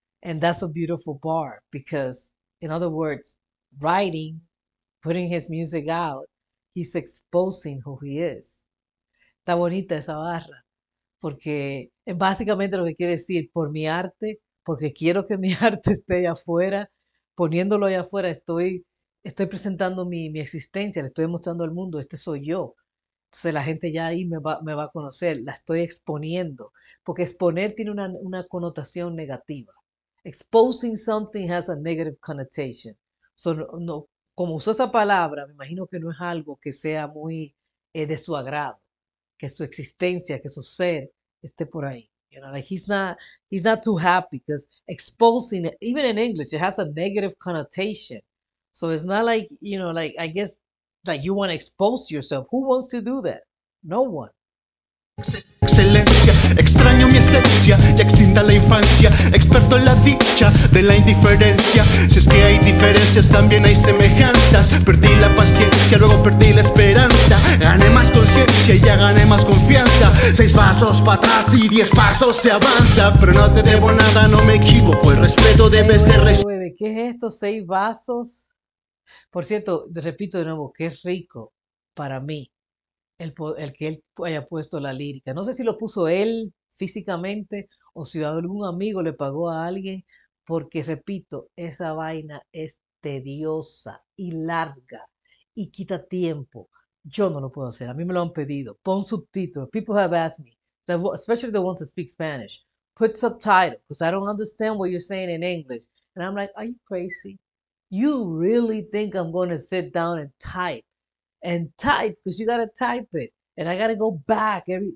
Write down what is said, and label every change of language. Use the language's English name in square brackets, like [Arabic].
[English] And that's a beautiful bar, because, in other words, writing, putting his music out, he's exposing who he is. [Spanish] Está bonita esa barra, porque es básicamente lo que quiere decir, por mi arte, porque quiero que mi arte esté allá afuera, poniéndolo allá afuera, estoy presentando mi existencia, le estoy mostrando al mundo, este soy yo. Entonces la gente ya ahí me va a conocer, la estoy exponiendo, porque exponer tiene una connotación negativa. [English] Exposing something has a negative connotation. [Spanish] So, no, como usó esa palabra, me imagino que no es algo que sea muy de su agrado, que su existencia, que su ser esté por ahí. [English] You know, like he's not too happy because exposing it, even in English, it has a negative connotation. So it's not like, you know, like I guess like you want to expose yourself. Who wants to do that? No one. [Spanish] Excelencia, extraño mi esencia, ya extinta la infancia, experto en la dicha de la indiferencia. Si es que hay diferencias, también hay semejanzas. Perdí la paciencia, luego perdí la esperanza. Gané más conciencia y ya gané más confianza. 6 pasos para atrás y 10 pasos se avanza. Pero no te debo nada, no me equivoco. El respeto debe ser ¿Qué es esto? 6 vasos. Por cierto, repito de nuevo, qué rico para mí. El que él haya puesto la lírica. No sé si lo puso él físicamente o si algún amigo le pagó a alguien, porque repito, esa vaina es tediosa y larga y quita tiempo. Yo no lo puedo hacer. A mí me lo han pedido. Pon subtítulos. [English] People have asked me, especially the ones that speak Spanish, put subtitles, because I don't understand what you're saying in English. And I'm like, are you crazy? You really think I'm going to sit down and type? And type, because you gotta type it, and I gotta go back every.